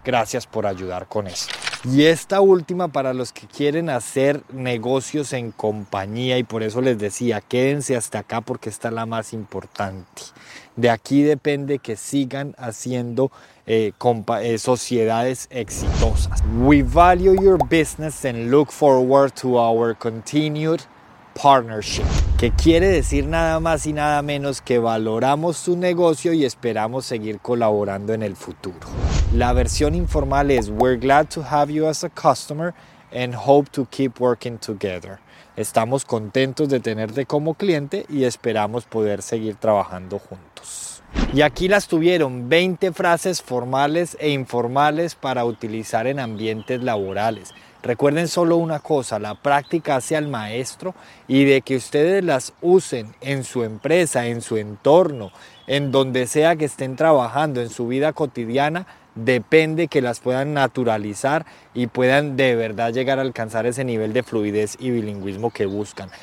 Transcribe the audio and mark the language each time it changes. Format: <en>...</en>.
<es>Gracias por ayudar con esto. Y esta última, para los que quieren hacer negocios en compañía, y por eso les decía, quédense hasta acá porque esta es la más importante. De aquí depende que sigan haciendo sociedades exitosas.</es> <en>We value your business and look forward to our continued partnership.</en> <es>Que quiere decir nada más y nada menos que valoramos su negocio y esperamos seguir colaborando en el futuro. La versión informal es:</es> <en>We're glad to have you as a customer and hope to keep working together.</en> <es>Estamos contentos de tenerte como cliente y esperamos poder seguir trabajando juntos. Y aquí las tuvieron, 20 frases formales e informales para utilizar en ambientes laborales. Recuerden solo una cosa: la práctica hace al maestro, y de que ustedes las usen en su empresa, en su entorno, en donde sea que estén trabajando, en su vida cotidiana, depende que las puedan naturalizar y puedan de verdad llegar a alcanzar ese nivel de fluidez y bilingüismo que buscan.</es>